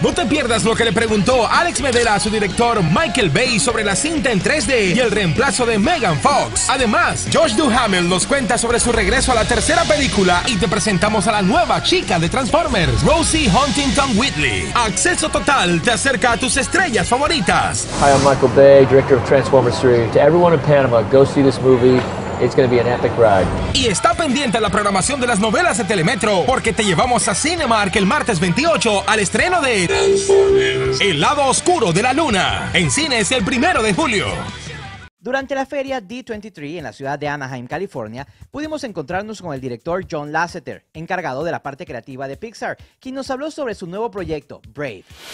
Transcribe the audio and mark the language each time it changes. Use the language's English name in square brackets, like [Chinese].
[Spanish] No te pierdas lo que le preguntó Alex Medela a su director Michael Bay sobre la cinta en 3D y el reemplazo de Megan Fox. Además, Josh Duhamel nos cuenta sobre su regreso a la tercera película y te presentamos a la nueva chica de Transformers, Rosie Huntington-Whitley. Acceso Total te acerca a tus estrellas favoritas. [English] Hi, I'm Michael Bay, director of Transformers. To everyone in Panama, go see this movie. It's going to be an epic ride. [Spanish] Y está pendiente la programación de las novelas de Telemetro, porque te llevamos a Cinemark el martes 28 al estreno de El Lado Oscuro de la Luna, en cines el 1 de julio. Durante la feria D23 en la ciudad de Anaheim, California, pudimos encontrarnos con el director John Lasseter, encargado de la parte creativa de Pixar, quien nos habló sobre su nuevo proyecto, Brave.